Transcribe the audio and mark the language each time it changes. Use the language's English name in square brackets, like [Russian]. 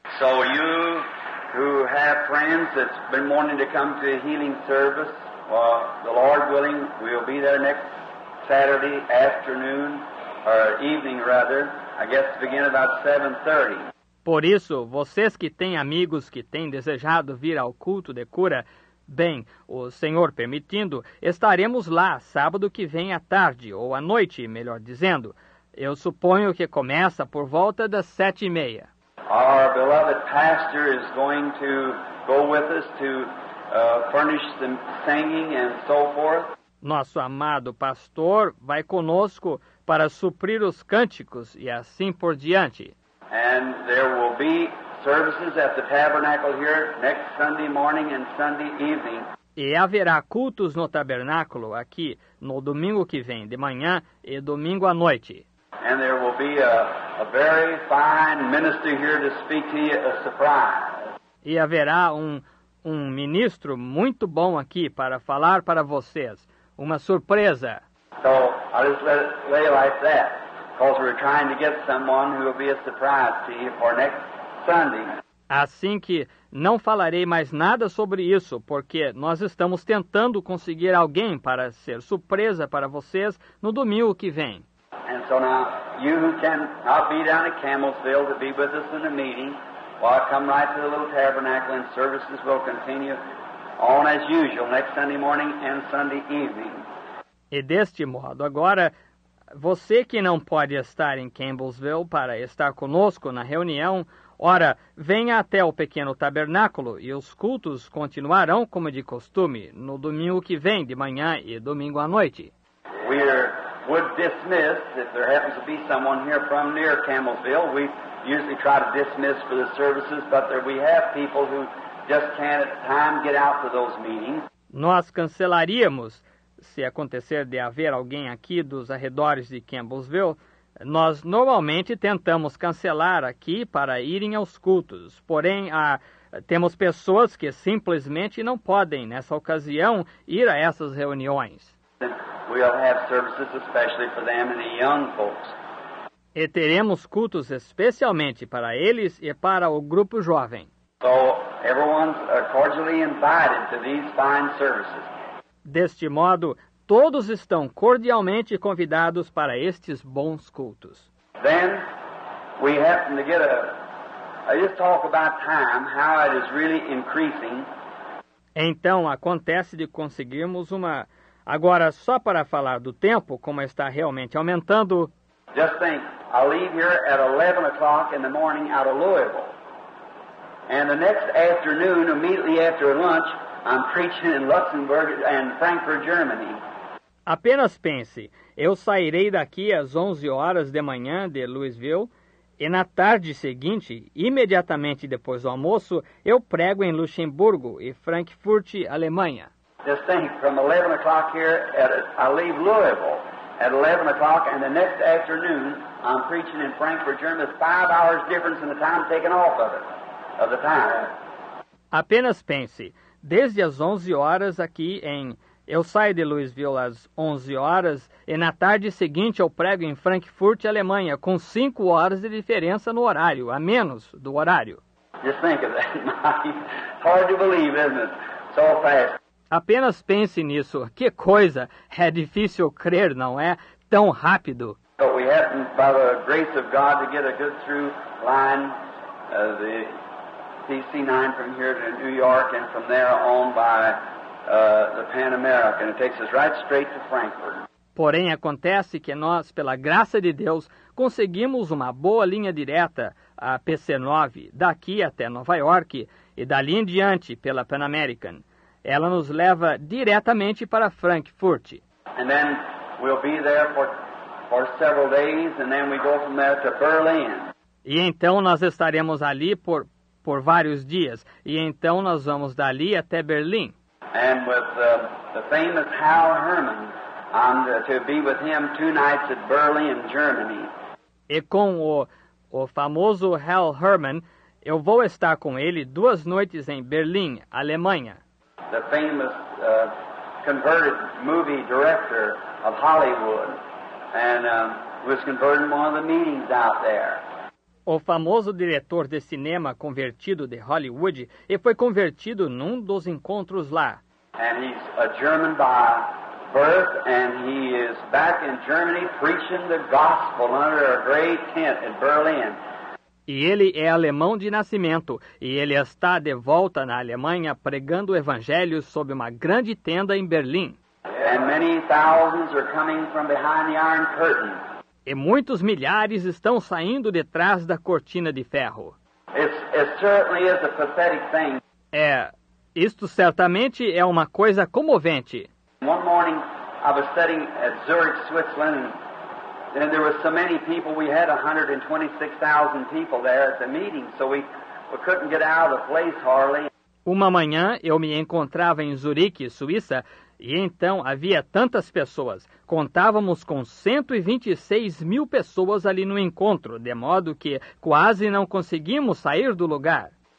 [English] So you who have friends that's been wanting to come to a healing service, the Lord willing, we'll be there next Saturday afternoon, or evening rather, I guess to begin about 7:30. [Portuguese] Por isso, vocês que têm amigos que têm desejado vir ao culto de cura, bem, o Senhor permitindo, estaremos lá sábado que vem à tarde, ou à noite, melhor dizendo. Eu suponho que começa por volta das 7:30. [English] Our beloved pastor is going to go with us to furnish the singing and so forth. [Portuguese] Nosso amado pastor vai conosco para suprir os cânticos e assim por diante. [English] And there will be services at the tabernacle here next Sunday morning and Sunday evening. [Portuguese] E haverá cultos no tabernáculo aqui no domingo que vem de manhã e domingo à noite. [English] And there will be a very fine minister here to speak to you a surprise. [Portuguese] E haverá um ministro muito bom aqui para falar para vocês, uma surpresa. [English] So I'll just lay it like that, because we're trying to get someone who will be a surprise to you for next Sunday. [Portuguese] Assim que não falarei mais nada sobre isso, porque nós estamos tentando conseguir alguém para ser surpresa para vocês no domingo que vem. [English] And so now, you who can not be down at Campbellsville to be with us in the meeting, well, come right to the little tabernacle and services will continue on as usual next Sunday morning and Sunday evening. [Portuguese] E deste modo, agora, você que não pode estar em Campbellsville para estar conosco na reunião, ora, venha até o pequeno tabernáculo e os cultos continuarão como de costume no domingo que vem de manhã e domingo à noite. [English] Would dismiss if there happens to be someone here from near Campbellsville. We usually try to dismiss for the services, but there we have people who just can't at time get out for those meetings. [Portuguese] Nós cancelaríamos se acontecer de haver alguém aqui dos arredores de Campbellsville. Nós normalmente tentamos cancelar aqui para irem aos cultos, porém Temos pessoas que simplesmente não podem, nessa ocasião, ir a essas reuniões. [English] We'll have services especially for them and the young folks. [Portuguese] E teremos cultos especialmente para eles e para o grupo jovem. [English] So everyone's cordially invited to these fine services. [Portuguese] Deste modo, todos estão cordialmente convidados para estes bons cultos. [English] Then we happen to get a just talk about time, how it is really increasing. [Portuguese] Então acontece de conseguirmos uma agora só para falar do tempo, como está realmente aumentando. [English] Just think, I leave here at 11 o'clock in the morning out of Louisville. And the next afternoon, immediately after lunch, I'm preaching in Luxembourg and Frankfurt, Germany. [Portuguese] Apenas pense, eu sairei daqui às 11 horas de manhã de Louisville e na tarde seguinte, imediatamente depois do almoço, eu prego em Luxemburgo e Frankfurt, Alemanha. [English] Just think, from 11 o'clock here, I leave Louisville at 11 o'clock and the next afternoon I'm preaching in Frankfurt, Germany. 5 hours difference in the time taken off of it, of the time. [Portuguese] Apenas pense, desde as 11 horas aqui em... Eu saio de Louisville às 11 horas e na tarde seguinte eu prego em Frankfurt, Alemanha, com 5 horas de diferença no horário, a menos do horário. [English] Just think of that. Hard to believe, isn't it? So fast. [Portuguese] Apenas pense nisso. Que coisa! É difícil crer, não é? Tão rápido. [English] But we happen, by the grace of God, to get a good through line of the PC-9 from here to New York and from there on by... the Pan American. It takes us right straight to Frankfurt. [Portuguese] Porém, acontece que nós, pela graça de Deus, conseguimos uma boa linha direta, a PC-9, daqui até Nova York, e dali em diante, pela Pan American. Ela nos leva diretamente para Frankfurt. [English] And then we'll be there for several days, and then we go from there to Berlin. [Portuguese] E então nós estaremos ali por vários dias, e então nós vamos dali até Berlim. [English] And with the famous Hal Herman, to be with him 2 nights at Berlin, Germany. [Portuguese] E com o famoso Hal Herman, eu vou estar com ele 2 noites em Berlim, Alemanha. [English] The famous converted movie director of Hollywood, and was converted in one of the meetings out there. [Portuguese] O famoso diretor de cinema convertido de Hollywood e foi convertido num dos encontros lá. [English] And he's a German by birth, and he is back in Germany preaching the gospel under a gray tent in Berlin. [Portuguese] E ele é alemão de nascimento, e ele está de volta na Alemanha pregando o evangelho sob uma grande tenda em Berlim. [English] And many thousands are coming from behind the Iron Curtain. [Portuguese] E muitos milhares estão saindo detrás da cortina de ferro. [English] It certainly is a pathetic thing. [Portuguese] É... Isto certamente é uma coisa comovente. [English] One morning I was studying at Zurich, Switzerland, and there were so many people, we had 126,000 people there at the meeting, so we couldn't get out of the place hardly. [Portuguese] Uma manhã eu me encontrava em Zurique, Suíça, e então havia tantas pessoas. Contávamos com 126 mil pessoas ali no encontro, de modo que quase não conseguimos sair do lugar.